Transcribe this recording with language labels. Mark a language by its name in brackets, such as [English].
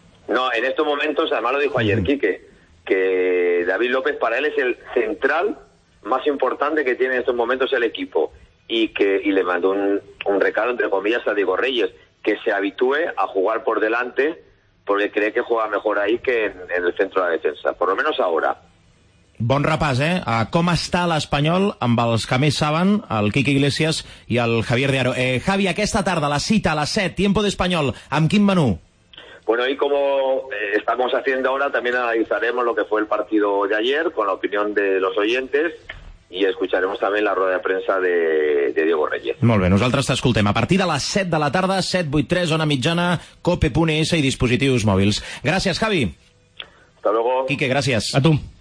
[Spanish] No, en estos momentos, además lo dijo ayer Quique, que David López para él es el central más importante que tiene en estos momentos el equipo, y le mandó un recado, entre comillas, a Diego Reyes, que se habitúe a jugar por delante, porque cree que juega mejor ahí que en el centro de la defensa, por lo menos ahora. [Catalan] Bon repàs, a com està l'Espanyol amb els que més saben, el Quique Iglesias i el Javier de Aro. Javi, aquesta tarda, la cita, a les 7, Tiempo d'Espanyol, amb quin menú? [Spanish] Bueno, y como estamos haciendo ahora, también analizaremos lo que fue el partido de ayer con la opinión de los oyentes, y escucharemos también la rueda de prensa de Diego Reyes. [Catalan] Molt bé, nosaltres t'escoltem a partir de les 7 de la tarda, 7:83, zona mitjana, cope.es i dispositius mòbils. Gràcies, Javi. [Spanish] Hasta luego. [Catalan] Quique, gràcies. A tu.